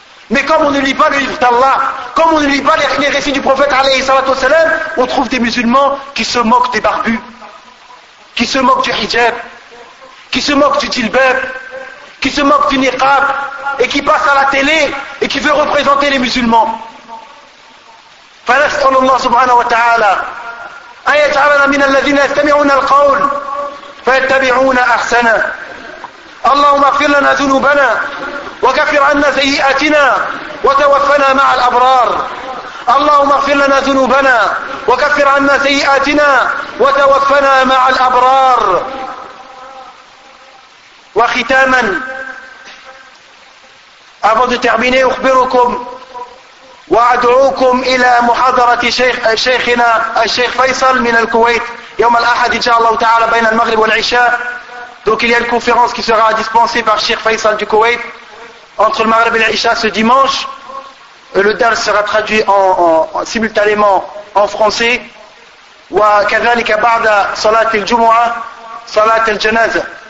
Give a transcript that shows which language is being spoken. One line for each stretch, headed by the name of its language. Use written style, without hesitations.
French: Mais comme on ne lit pas le livre d'Allah, comme on ne lit pas les récits du prophète alayhi salatu wassalam, on trouve des musulmans qui se moquent des barbus, qui se moquent du hijab, qui se moque du jilbab, qui se moque du niqab, et qui passe à la télé et qui veut représenter les musulmans.
Arabic: فنسأل الله سبحانه وتعالى أن يجعلنا من الذين يستمعون القول فيتبعون أحسنه. اللهم اغفر لنا ذنوبنا وكفر عنا سيئاتنا وتوفنا مع الأبرار. اللهم اغفر لنا ذنوبنا وكفر عنا سيئاتنا وتوفنا مع الأبرار. وختاما
French: avant de terminer,
Arabic: أخبركم وأدعوكم إلى محاضرة شيخنا الشيخ فيصل من الكويت يوم الأحد إن شاء الله تعالى بين المغرب والعشاء.
French: Donc il y a une conférence qui sera dispensée par Cheikh Faisal du Koweït entre le Maghreb et l'Isha ce dimanche. Le dars sera traduit simultanément en français.
Arabic: Wa kadhalika ba'da salat al-jumu'a, salat al-janaza.